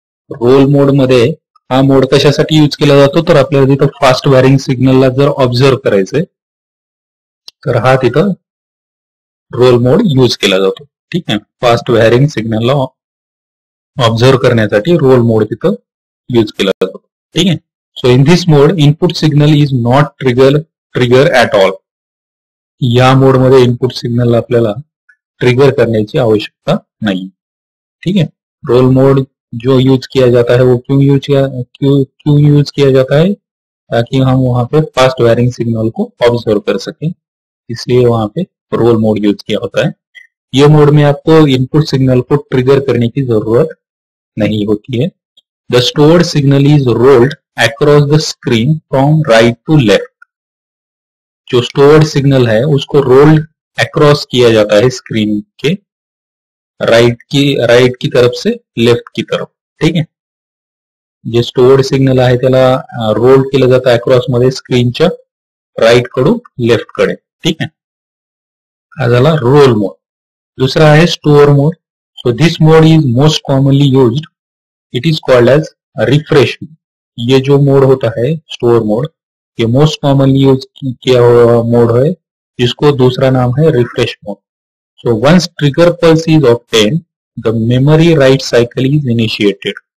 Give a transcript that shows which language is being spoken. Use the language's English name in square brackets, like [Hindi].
[Marathi] Role मोड मध्ये हा मोड कशासाठी यूज केला जातो, तर आपल्याला तिथं फास्ट वेअरिंग सिग्नलला जर ऑब्झर्व करायचंय तर हा तिथं रोल मोड यूज केला जातो, ठीक आहे। फास्ट वेअरिंग सिग्नलला ऑब्झर्व करण्यासाठी रोल मोड तिथं यूज केला जातो, ठीक आहे। [English] So in this mode input signal is not trigger at all. [Marathi] या मोड मध्ये इनपुट सिग्नल आपल्याला ट्रिगर करण्याची आवश्यकता नाही, ठीक आहे। [Hindi] रोल मोड जो यूज किया जाता है वो क्यों यूज किया जाता है, ताकि हम वहां पे फास्ट वायरिंग सिग्नल को ऑब्जर्व कर सके, इसलिए वहां पे रोल मोड यूज किया होता है। ये मोड में आपको इनपुट सिग्नल को ट्रिगर करने की जरूरत नहीं होती है। [English] The stored signal is rolled across the screen from right to left. [Hindi] जो स्टोर्ड सिग्नल है उसको रोल्ड अक्रॉस किया जाता है स्क्रीन के राइट की तरफ से लेफ्ट की तरफ, ठीक है। [Marathi] जे स्टोर्ड सिग्नल आहे त्याला रोल केलं जातं अक्रॉस मध्ये स्क्रीनच्या राइट कडून लेफ्ट कडे, ठीक है। हा झाला रोल मोड। दुसरा आहे store mode. [English] So this mode is most commonly used, it is called as refresh. [Hindi] ये जो मोड होता है स्टोर मोड, ये मोस्ट कॉमनली यूज किया हुआ मोड है, जिसको दूसरा नाम है refresh mode. [English] So once trigger pulse is obtain the memory write cycle is initiated.